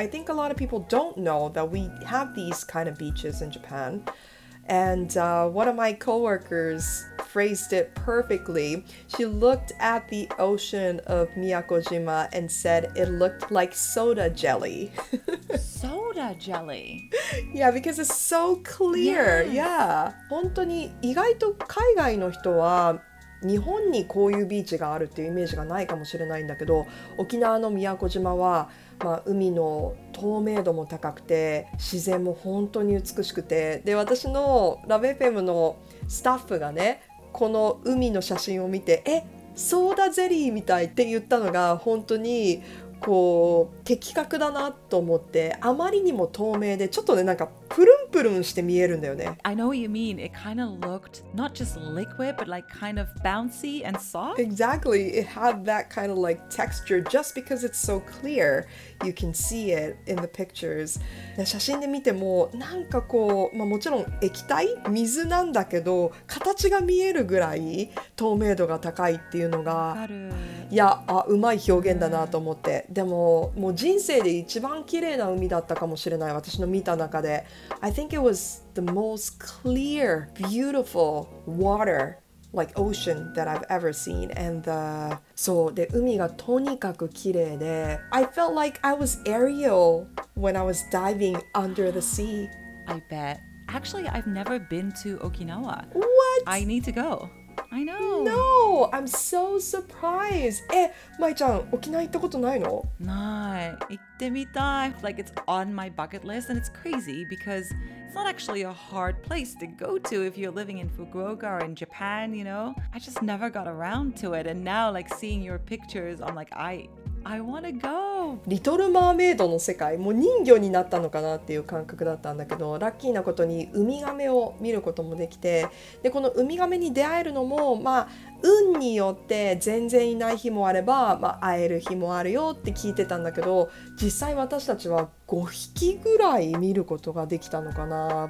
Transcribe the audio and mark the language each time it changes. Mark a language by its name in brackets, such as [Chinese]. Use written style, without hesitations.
[English] I think a lot of people don't know that we have these kind of beaches in Japan. And one of my coworkers phrased it perfectly. She looked at the ocean of Miyakojima and said it looked like soda jelly. Soda jelly? Yeah, because it's so clear. Yeah. [Japanese] 本当に意外と海外の人は日本にこういうビーチがあるっていうイメージがないかもしれないんだけど、沖縄の宮古島は、まあ、海の透明度も高くて自然も本当に美しくて、で私のラブ FM のスタッフがね、この海の写真を見て、え、ソーダゼリーみたいって言ったのが本当にこう的確だなと思って、あまりにも透明でちょっとね、なんかプルンプルンして見えるんだよね。 [English] I know what you mean. It kind of looked not just liquid but like kind of bouncy and soft. Exactly. It had that kind of like texture just because it's so clear. You can see it in the pictures. [Japanese] 写真で見てもなんかこう、まあ、もちろん液体水なんだけど形が見えるぐらい透明度が高いっていうのが、いや、あ、うまい表現だなと思って、でももう人生で一番綺麗な海だったかもしれない、私の見た中で。 [English] I think it was the most clear, beautiful water, like ocean, that I've ever seen. And the... [Japanese] そう、で、海がとにかく綺麗で。 [English] I felt like I was Ariel when I was diving under the sea. I bet. Actually, I've never been to Okinawa. What? I need to go. I know. No, I'm so surprised. [Japanese] え、舞ちゃん、沖縄行ったことないの？ない。行ってみたい。 [English] Like, it's on my bucket list, and it's crazy because it's not actually a hard place to go to if you're living in Fukuoka or in Japan, you know? I just never got around to it, and now, like, seeing your pictures, I'm like, I wanna go! [Japanese] リトルマーメイドの世界、もう人魚になったのかなっていう感覚だったんだけど、ラッキーなことにウミガメを見ることもできて、で、このウミガメに出会えるのも、まあ、運によって全然いない日もあれば、まあ、会える日もあるよって聞いてたんだけど、実際私たちは5匹ぐらい見ることができたのかな。